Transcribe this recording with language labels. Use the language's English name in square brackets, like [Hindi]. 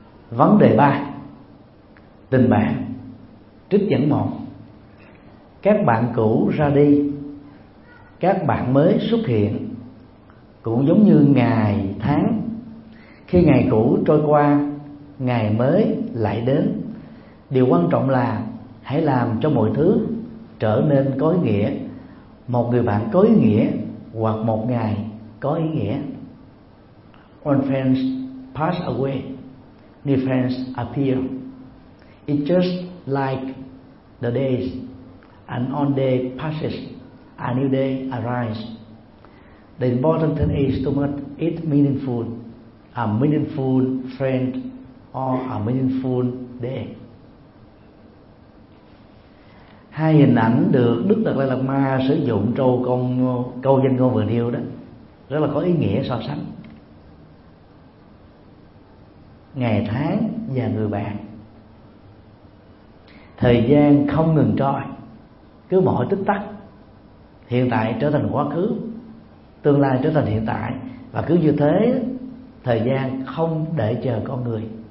[Vietnamese] Vấn đề 3, tình bạn. Trích dẫn 1: các bạn cũ ra đi, các bạn mới xuất hiện, cũng giống như ngày tháng. Khi ngày cũ trôi qua, ngày mới lại đến. Điều quan trọng là hãy làm cho mọi thứ trở nên có ý nghĩa. Một người bạn có ý nghĩa hoặc một ngày có ý nghĩa. [English] One friend passed away, new friends appear. It's just like the days, and on day passes, a new day arises. The important thing is to make it meaningful, a meaningful friend or a meaningful day. [Vietnamese] Hai hình ảnh được Đức Đạt Lai Lạt Ma sử dụng trong câu danh ngôn vừa nêu đó rất là có ý nghĩa so sánh. Ngày tháng và người bạn. Thời gian không ngừng trôi, cứ mỗi tích tắc, hiện tại trở thành quá khứ, tương lai trở thành hiện tại, và cứ như thế, thời gian không để chờ con người.